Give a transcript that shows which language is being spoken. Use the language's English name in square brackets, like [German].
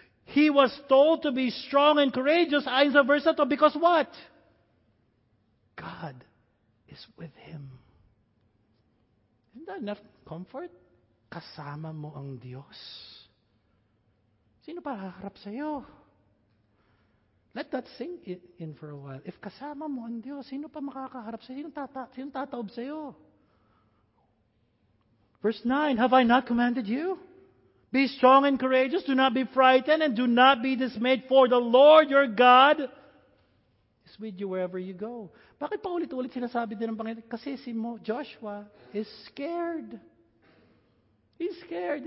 [English] He was told to be strong and courageous [Filipino] ayon sa verse na to, [English] because what? God is with him. Isn't that enough comfort? [Filipino] Kasama mo ang Diyos. Sino para harap sa'yo? [English] Let that sink in for a while. [Filipino] If kasama mo ang Diyos, sino pa makakaharap sa'yo? Sino tataob sa'yo? [English] Verse 9, have I not commanded you? Be strong and courageous. Do not be frightened and do not be dismayed, for the Lord your God is with you wherever you go. [Filipino] Bakit pa ulit-ulit sinasabi din ng Panginoon? Kasi si Joshua [English] is scared. He's scared.